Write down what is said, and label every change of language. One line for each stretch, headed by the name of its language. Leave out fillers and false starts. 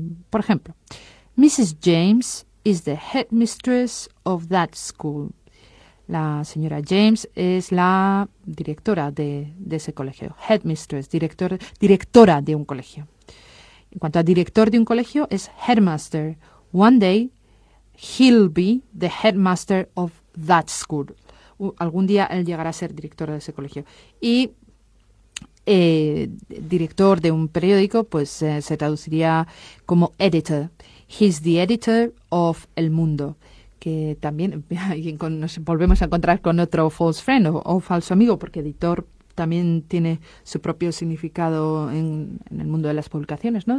Spanish: Por ejemplo,
English: Mrs. James is the headmistress of that school.
Spanish: La señora James es la directora de ese colegio. Headmistress, directora de un colegio. En cuanto a director de un colegio, es headmaster.
English: One day, he'll be the headmaster of that school.
Spanish: Algún día él llegará a ser director de ese colegio. Y director de un periódico, pues se traduciría como editor.
English: He's the editor of El Mundo.
Spanish: Que también nos volvemos a encontrar con otro false friend o falso amigo, porque editor también tiene su propio significado en el mundo de las publicaciones, ¿no?